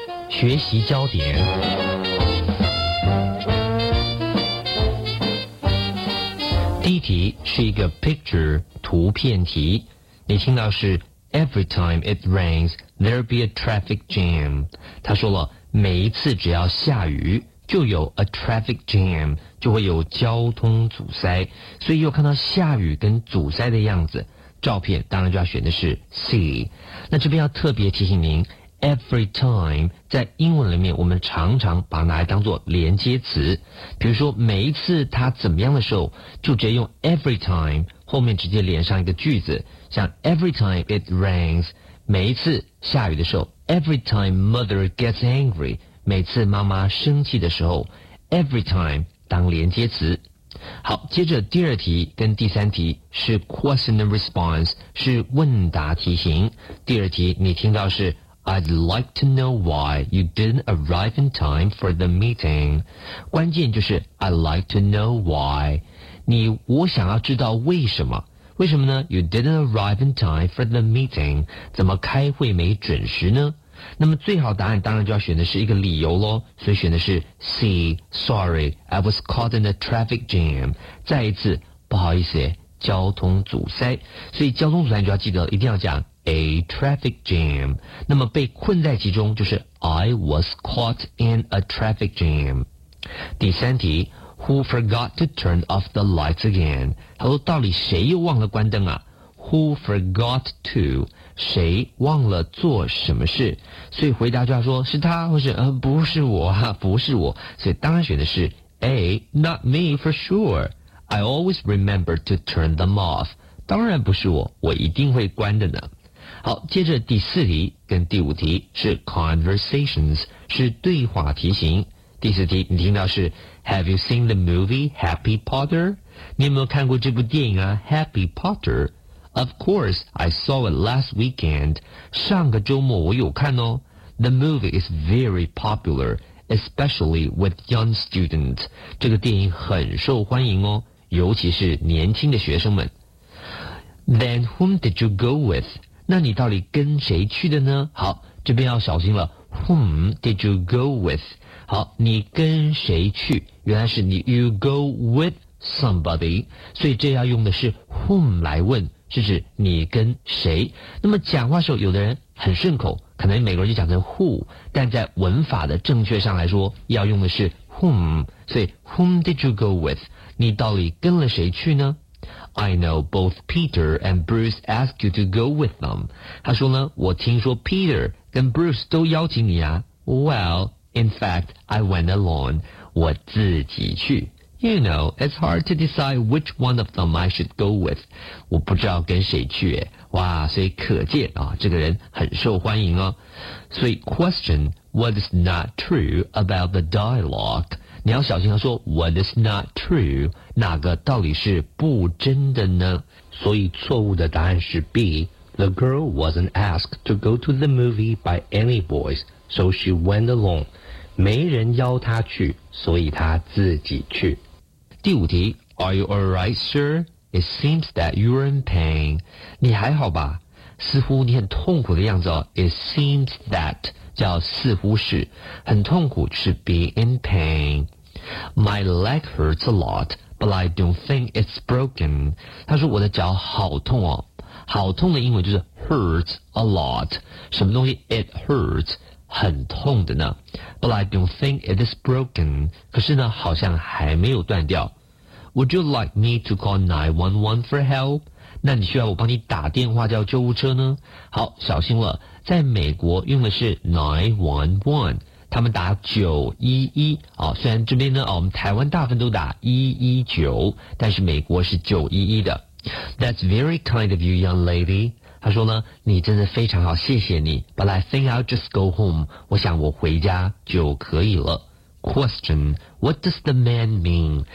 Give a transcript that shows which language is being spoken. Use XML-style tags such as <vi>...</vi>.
<zh>学习焦点第一题是一个 picture 图片题，你听到是</zh> <en>every time it rains there'll be a traffic jam。</en> <zh>他说了，每一次只要下雨就有</zh> <en>a traffic jam，</en> <zh>就会有交通阻塞。所以又看到下雨跟阻塞的样子，照片当然就要选的是 C。那这边要特别提醒您 ，every time 在英文里面我们常常把它拿来当做连接词，比如说每一次它怎么样的时候。就直接用 every time 后面直接连上一个句子，像</zh> <en>every time it rains</en> <zh>每一次下雨的时候，</zh> <en>every time mother gets angry</en> <zh>每次妈妈生气的时候， every time 当连接词。好，接着第二题跟第三题是</zh> <en>question and response，</en> <zh>是问答题型。第二题你听到是</zh> <en>I'd like to know why you didn't arrive in time for the meeting. 关键就是 I'd like to know why.</en> <zh>我想要知道为什么。为什么呢？</zh> <en>You didn't arrive in time for the meeting.</en> <zh>怎么开会没准时呢？那么最好答案当然就要选的是一个理由咯。所以选的是 C.</zh> <en>Sorry, I was caught in a traffic jam.</en> <zh>再一次，不好意思，交通阻塞。所以交通阻塞你就要记得，一定要讲</zh> <en>A traffic jam.</en> <zh>那么被困在其中就是</zh> <en>I was caught in a traffic jam.</en> <zh>第三题</zh> <en>Who forgot to turn off the lights again?</en> <zh>他说到底谁又忘了关灯啊？</zh> <en>Who forgot to?</en> <zh>谁忘了做什么事？所以回答就要说是他或是不是我啊，不是我。所以当然选的是</zh> <en>A. Not me for sure. I always remember to turn them off.</en> <zh>当然不是我，我一定会关的呢。好，接着第四题跟第五题是</zh> <en>conversations，</en> <zh>是对话题型。第四题你听到是</zh> <en>Have you seen the movie Happy Potter？</en> <zh>你有没有看过这部电影啊 ？Happy Potter？</zh> <en>Of course, I saw it last weekend.</en> <zh>上个周末我有看哦。</zh> <en>The movie is very popular, especially with young students.</en> <zh>这个电影很受欢迎哦，尤其是年轻的学生们。</zh> <en>Then whom did you go with?</en> <zh>那你到底跟谁去的呢？好，这边要小心了。</zh> <en>Whom did you go with?</en> <zh>好，你跟谁去？原来是你</zh> <en>you go with somebody，</en> <zh>所以这要用的是 whom 来问，是指你跟谁。那么讲话时候有的人很顺口，可能美国人就讲成 who， 但在文法的正确上来说要用的是 whom， 所以</zh> <en>whom did you go with，</en> <zh>你到底跟了谁去呢？</zh> <en>I know both Peter and Bruce ask you to go with them，</en> <zh>他说呢，我听说 Peter 跟 Bruce 都邀请你啊。</zh> <en>Well, in fact I went alone，</en> <zh>我自己去。</zh> <en>You know, it's hard to decide which one of them I should go with.</en> <zh>我不知道跟谁去耶。哇，所以可见啊，这个人很受欢迎哦。所以</zh> <en>question, what is not true about the dialogue?</en> <zh>你要小心地说</zh> <en>what is not true?</en> <zh>哪个到底是不真的呢？所以错误的答案是 B.</zh> <en>The girl wasn't asked to go to the movie by any boys, so she went alone.</en> <zh>没人邀他去，所以他自己去。第五题</zh> <en>Are you alright, sir? It seems that you're in pain.</en> <zh>你还好吧？似乎你很痛苦的样子哦。</zh> <en>It seems that</en> <zh>叫似乎是很痛苦，是 be in pain.</zh> <en>My leg hurts a lot, but I don't think it's broken.</en> <zh>他说我的脚好痛哦。好痛的英文就是</zh> <en>hurts a lot.</en> <zh>什么东西</zh> <en>it hurts?</en> <zh>很痛的呢</zh> <en>But I don't think it is broken</en> <zh>可是呢好像还没有断掉</zh> <en>Would you like me to call 911 for help?</en> <zh>那你需要我帮你打电话叫救护车呢好小心了在美国用的是911他们打911、哦、虽然这边呢、哦、我们台湾大部分都打119但是美国是911的</zh> <en>That's very kind of you young lady</en> <zh>他说呢你真的非常好谢谢你</zh> <en>But I think I'll just go home</en> <zh>我想我回家就可以了</zh> <en>Question What does the man mean?</en>